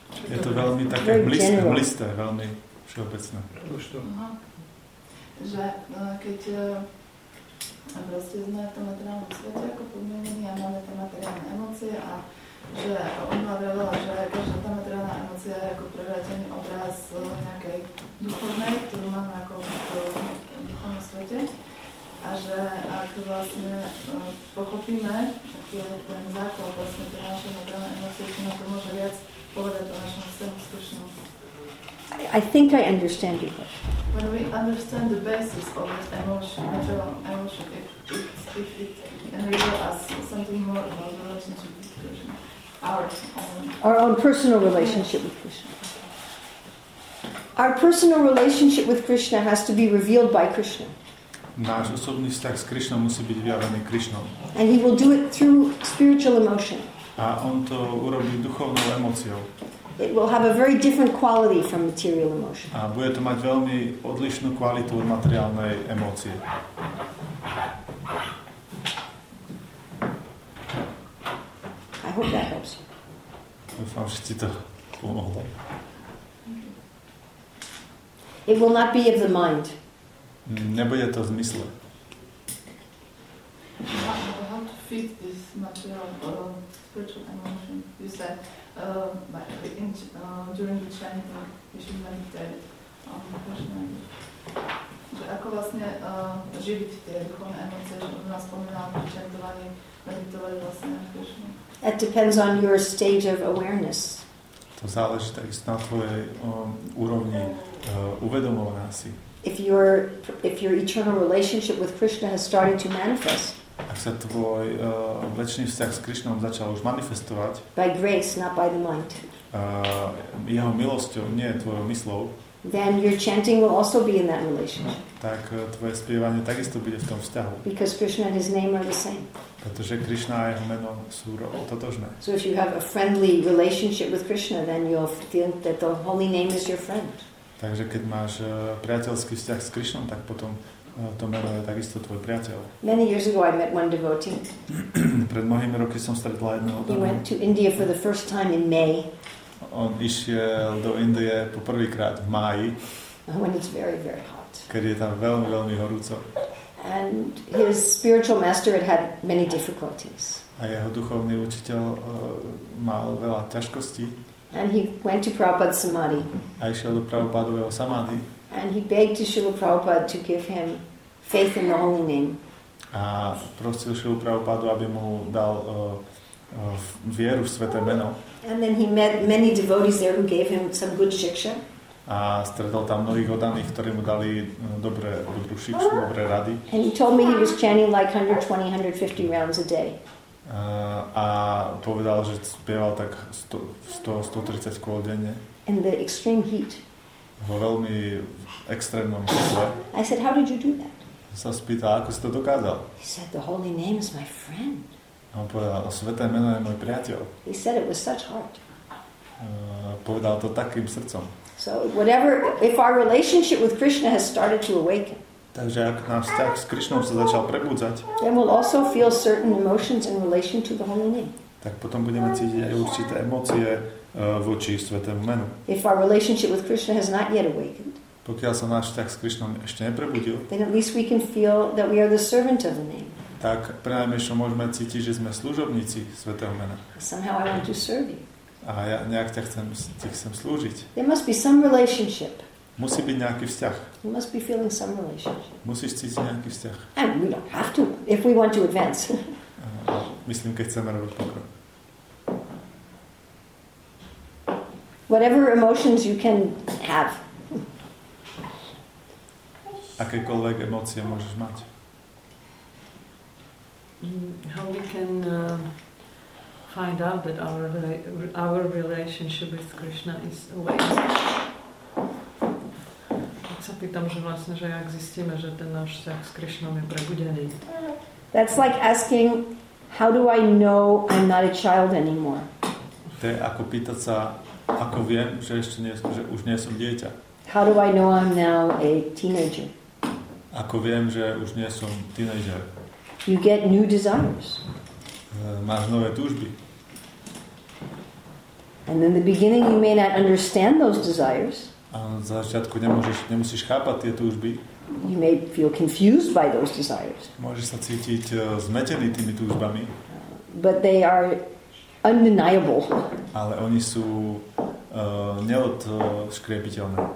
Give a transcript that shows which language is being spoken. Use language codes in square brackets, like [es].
[sk] Je to veľmi také blisté, veľmi všeobecné. Že keď [cs] a prostě jsme v tom materiálním světě jako podmíněni a máme tam materiální emoce a že on mluvila, že každá ta materiální emoce je jako prevrácený obraz nějaké duchovné, kterou máme jako v duchovném světě a že ak vlastně pochopíme, jaký je ten základ vlastně té naše materiální emoce, či nám to může víc povedat o našem systému zkušenou. [en] I think I understand your question. When we understand the basis of this emotion, natural emotion, if it enables us something more about the relationship with Krishna, our own personal relationship with Krishna. Our personal relationship with Krishna has to be revealed by Krishna. [sk] Náš osobný vztah s Krishnou musí být vyjavený Krishnou. [en] And he will do it through spiritual emotion. [sk] A on to urobí duchovnou emociou. [en] It will have a very different quality from material emotion. [sk] A bude to mať veľmi odlišnú kvalitu od materiálnej emócie. [en] I hope that helps. [sk] Dúfam, že ti to pomohlo. [en] It will not be of the mind. [sk] Nebude to v zmysle. [en] How to fit this material spiritual emotion? You said during the chanting, you should meditate on the Krishna. [sk] Že ako vlastne živiť tie duchovné emócie, že on nás pomená pri chantovaní meditovať vlastne na Krishna. [en] It depends on your stage of awareness. [sk] To záleží takisto na tvojej úrovni uvedomovania si. [en] If your eternal relationship with Krishna has started to manifest. [sk] Ak sa tvoj večný vzťah s Krišnom začal už manifestovať. [en] By grace, not by the mind. [sk] Jeho milosťou, nie tvojou mysľou. [en] Then your chanting will also be in that relationship. [sk] Tak tvoje spievanie takisto bude v tom vzťahu. [en] Because Krishna and his name are the same. [sk] Pretože Krišna a jeho meno sú totožné. [en] So if you have a friendly relationship with Krishna, then you'll feel that the holy name is your friend. [sk] Takže keď máš priateľský vzťah s Krišnom, tak potom to meno je takisto tvoj priateľ. [en] Many years ago I met one devotee. [sk] Pred mnohými roky som stretla jedného. [en] He went to India for the first time in May. [sk] On išiel do Indie poprvýkrát v máji. [en] When it's very, very hot. [sk] Keď je tam veľmi, veľmi horúco. [en] And his spiritual master had many difficulties. [sk] A jeho duchovný učiteľ mal veľa ťažkostí. [en] And he went to Prabhupada Samadhi. [sk] A išiel do Prabhupadového Samadhi. [en] And he begged Srila Prabhupada to give him faith in the holy name. [sk] A prosil Srila Prabhupada, aby mu dal vieru v sväté meno. [en] And then he met many devotees there who gave him some good shiksha. [sk] A stretol tam mnohých oddaných, ktorí mu dali dobré dobrú šikšu, dobré rady. [en] And he told me he was chanting like 120, 150 rounds a day. [sk] A povedal, že spieval tak 100-130 kôl denne. [en] In the extreme heat. [sk] Vo veľmi extrémnom čase. [en] I said, how did you do that? [sk] Sa spýtal, ako si to dokázal. [en] He said, the holy name is my friend. [sk] A on povedal, sväté meno je môj priateľ. [en] He said it with such heart. [sk] Povedal to takým srdcom. [en] So whatever, if our relationship with Krishna has started to awaken, [sk] takže ak náš vzťah s Krišnou sa začal prebudzať, [en] then we'll also feel certain emotions in relation to the holy name. [sk] Tak potom budeme cítiť aj určité emócie voči svätému menu. [en] If our relationship with Krishna has not yet awakened, [sk] pokiaľ sa náš vzťah s Krišnou ešte neprebudil, [en] then at least we can feel that we are the servant of the name. [sk] Tak prinajmenšom môžeme cítiť, že sme služobníci svätého mena. [en] Somehow I want to serve you. [sk] A ja nejak ťa chcem slúžiť. [en] There must be some relationship. [sk] Musí byť nejaký vzťah. [en] You must be feeling some relationship. [sk] Musíš cítiť nejaký vzťah. [en] And we don't have to, if we want to advance. [sk] Myslím, keď chceme robiť pokrok. [en] Whatever emotions you can have. [sk] Akékoľvek emócie môžeš mať. [en] How we can find out that our relationship with Krishna is awakened? [sk] Tak sa pýtam, že vlastne, že jak zistíme, že ten náš vzťah s Krishnom je prebudený. [en] That's like asking, how do I know I'm not a child anymore? [sk] To je ako pýtať sa, ako viem, že ešte nie, že už nie som dieťa. [en] How do I know I'm now a teenager? [sk] Ako viem, že už nie som teenager? [en] You get new desires. [sk] Máš nové túžby. [en] And in the beginning you may not understand those desires. [sk] začiatku nemusíš chápať tie túžby. [en] You may feel confused by those desires. [sk] Môžeš sa cítiť zmetený tými túžbami. [en] But they are undeniable. [sk] Ale oni sú neodškriepiteľné.